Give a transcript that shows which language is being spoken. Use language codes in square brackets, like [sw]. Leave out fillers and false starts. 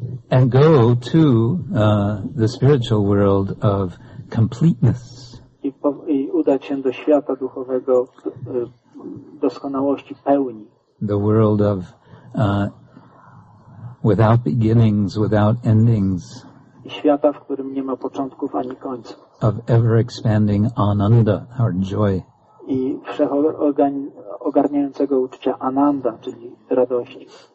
[en] And go to the spiritual world of completeness. [pl] I udać się do świata duchowego doskonałości, pełni. [en] The world of without beginnings, without endings. [pl] Świata, w którym nie ma początków ani końca. [en] Of ever expanding ananda, our joy. [pl] I wszechogarniającego uczucia ananda, czyli radości.